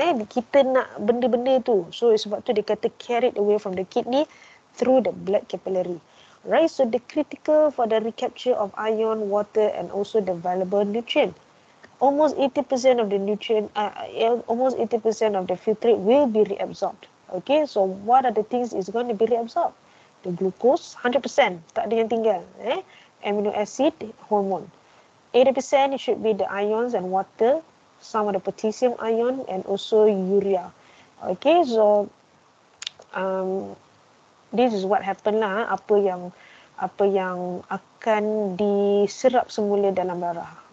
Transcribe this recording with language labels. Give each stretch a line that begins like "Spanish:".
Malay: Kita nak benda-benda tu.
English: So
Malay: sebab tu dia kata
English: carried away from the kidney through the blood capillary. Right, so the critical for the recapture of ion, water and also the valuable nutrient. Almost 80% of the nutrient, almost 80% of the filtrate will be reabsorbed. Okay, so what are the things is going to be reabsorbed? The glucose, 100%,
Malay: tak ada yang tinggal.
English: Amino acid, hormone. 80% it should be the ions and water, some of the potassium ion and also urea. Okay, so this is what happened lah,
Malay: apa yang akan diserap semula dalam darah.